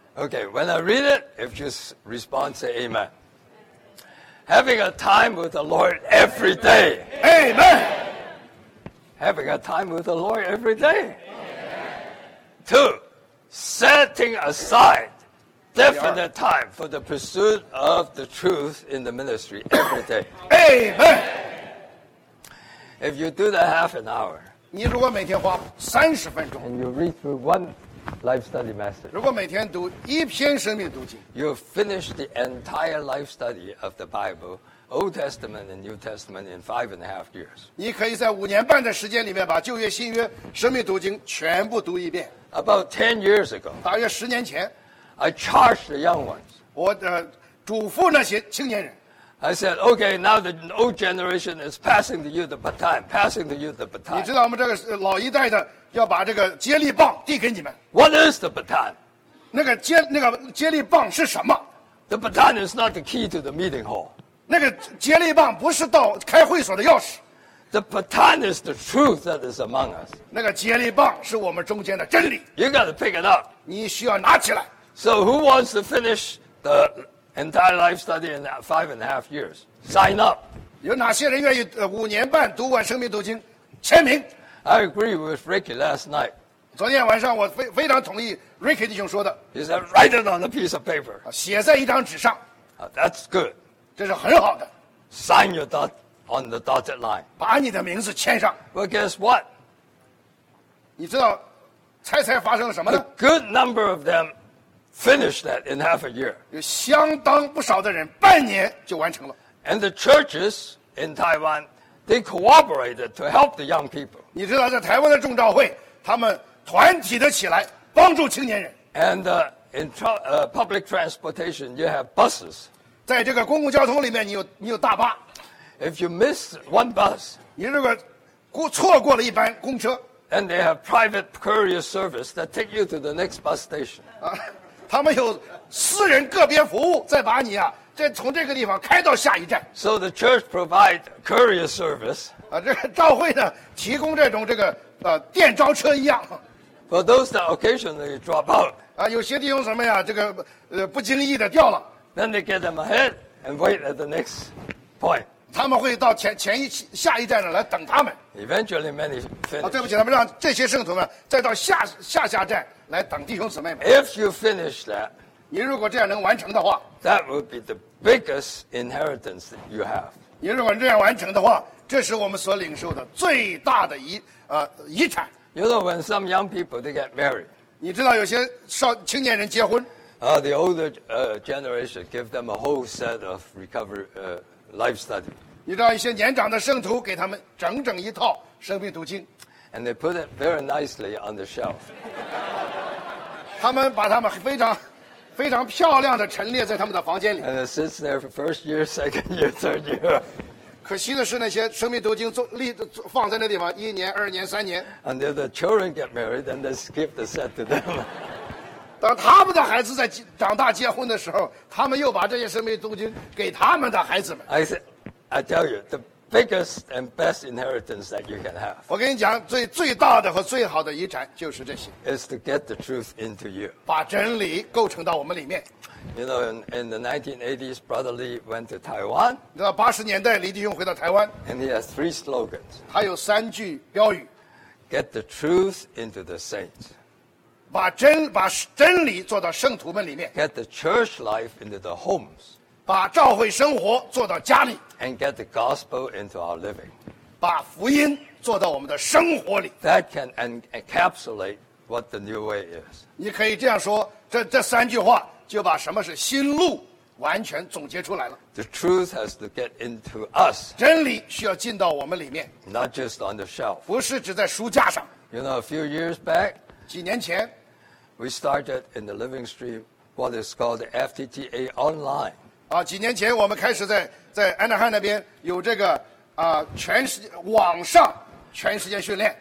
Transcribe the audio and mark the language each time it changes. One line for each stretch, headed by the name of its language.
English: ？Okay, when I read it, if you respond, say amen. Having a time with the Lord every day. Amen. Having a time with the Lord every day. Two, setting aside definite time for the pursuit of the truth in the ministry every day. Amen. If you do that half an hour,
Chinese: 你如果每天花30分钟
English: and you read through one life study message,
Chinese: 如果每天读一篇生命读经
English: you'll finish the entire life study of the Bible. Old Testament and New Testament in 5.5 years.
Chinese: 你可以在五年半的时间里面把旧约、新约、生命读经全部读一遍。
English: About 10 years ago,
Chinese: 大约十年前
English: ，I charged the young ones.
Chinese: 我嘱咐那些青年人。
English: I said, "Okay, now the old generation is passing to you the baton, passing to you the baton."
Chinese: 你知道我们这个老一代的要把这个接力棒递给你们。
English: What is the baton?
Chinese: 那个接力棒是什么
English: ？The baton is not the key to the meeting hall.
Chinese: 那个接力棒不是到开会所的钥匙。
English: The baton is the truth that is among us.
Chinese: 那个接力棒是我们中间的真理。
English: You got to pick it up.
Chinese: 你需要拿起来。
English: So who wants to finish the entire life study in 5.5 years? Sign up.
Chinese: 有哪些人愿意五年半读完生命读经？签名。
English: I agree with Ricky last night.
Chinese: 昨天晚上我非常同意 Ricky 弟兄说的。
English: He said, "Write it on a piece of paper."
Chinese: 写在一张纸上。
English: That's good.
Chinese: 这是很好的。
English: Sign your dot on the dotted line.
Chinese: 把你的名字签上。
English: Well, guess what?
Chinese: 你知道，猜发生了什么呢
English: ？A good number of them finished that in half a year.
Chinese: 有相当不少的人半年就完成了。
English: And the churches in Taiwan, they cooperated to help the young people.
Chinese: 你知道，在台湾的众召会，他们团体的起来帮助青年人。
English: And public transportation, you have buses.
Chinese: 在这个公共交通里面你有大巴。
English: If you miss one bus,
Chinese: 你如果错过了一班公车
English: And they have private courier service that take you to the next bus station.
Chinese: 他们有私人个别服务，再把你啊，再从这个地方开到下一站。
English: So the church provide courier service.
Chinese: 啊，这教会呢，提供这种这个电召车一样。
English: For those that occasionally drop out.
Chinese: 啊，有些弟兄什么呀，这个不经意的掉了。
English: Then they get them ahead and wait at the next point.
Chinese: 他们会到前一下一站呢来等他们。
English: Eventually, many finish.
Chinese: 啊，对不起，他们让这些圣徒们再到下站。来等弟兄姊妹们。
English: If you finish that,
Chinese: 你如果这样能完成的话
English: ，that would be the biggest inheritance that you have.
Chinese: 你如果这样完成的话，这是我们所领受的最大的遗产。
English: You know when some young people they get married.
Chinese: 你知道有些青年人结婚。
English: The older generation give them a whole set of recovery life study.
Chinese: 你知道一些年长的圣徒给他们整整一套生命读经。
English: And they put it very nicely on the shelf.
Chinese: 他们把他们非常非常漂亮的陈列在他们的房间里。
English: And it sits there for first year, second year, third year.
Chinese: 可惜的是那些生命读经放在那地方一年二年三年。
English: And if the children get married, then they skip the set to them.
Chinese: 当他们的孩子在长大结婚的时候，他们又把这些生命读经给他们的孩子们。
English: I tell you, the biggest and best inheritance that you can have.
Chinese: 我跟你讲，最大的和最好的遗产就是这些。
English: Is to get the truth into you.
Chinese: 把真理构成到我们里面。
English: You know, in the 1980s, Brother Lee went to Taiwan.
Chinese: 你知道80年代李弟兄回到台湾。
English: And he has three slogans.
Chinese: 他有三句标语。
English: Get the truth into the saints.
Chinese: 把真理做到圣徒们里面。
English: Get the church life into the homes.
Chinese: 把教会生活做到家里
English: ，and get the gospel into our living，
Chinese: 把福音做到我们的生活里。
English: That can encapsulate what the new way is。
Chinese: 你可以这样说，这三句话就把什么是新路完全总结出来了。
English: The truth has to get into us。
Chinese: 真理需要进到我们里面
English: ，not just on the shelf。
Chinese: 不是只在书架上。
English: You know, a few years back，
Chinese: 几年前
English: ，we started in the Living Stream what is called the FTTA Online。
Chinese: 啊，几年前我们开始在安娜汉那边有这个全世界网上全时间训练。